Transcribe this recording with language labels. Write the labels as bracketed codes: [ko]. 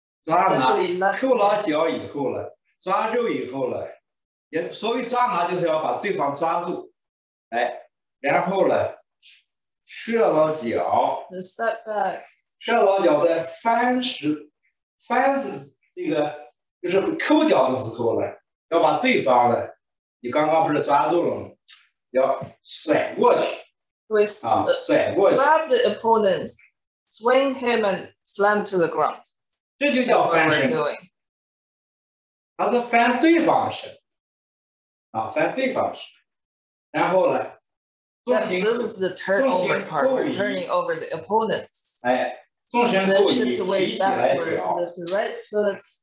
[zh] 抓拿，扣牢脚以后了，抓住以后了，也所谓抓拿就是要把对方抓住，哎，然后呢，撤牢脚 [en] ，the step back， [zh] 撤牢脚在翻这个就是扣脚的时候呢，要把对方呢，你刚刚不是抓住了吗？要甩过去， [en] With, [zh] 啊，甩过去 [en] ，grab the opponent, swing him and slam to the ground. [zh] 这就叫翻身，他是翻对方的神，啊，翻对方的神。然后呢，众星 [en] ，This is the turnover part, turning over the opponent. [zh] 哎，众星后移，起起来脚， [en] right foot,